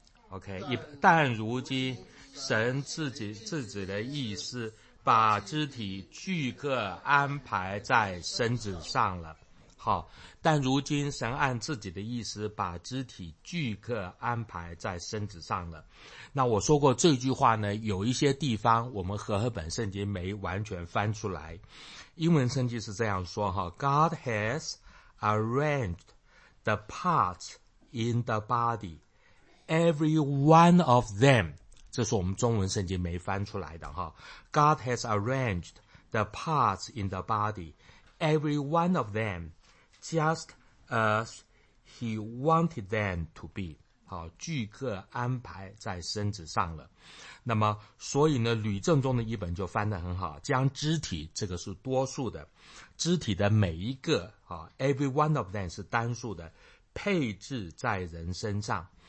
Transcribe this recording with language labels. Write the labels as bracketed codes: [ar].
[zh] OK， 但如今神自己的意思，把肢体俱各安排在身子上了。好，但如今神按自己的意思，把肢体俱各安排在身子上了。那我说过这句话呢，有一些地方我们和合本圣经没完全翻出来。英文圣经是这样说哈 ， [en] God has arranged the parts in the body。 Every one of them， [zh] 这是我们中文圣经没翻出来的哈。 [en] God has arranged the parts in the body， every one of them just as he wanted them to be。 [zh] 好，俱各安排在身子上了。那么，所以呢，吕正中的一本就翻得很好，将肢体，这个是多数的，肢体的每一个啊 ， [en] every one of them [zh] 是单数的，配置在人身上。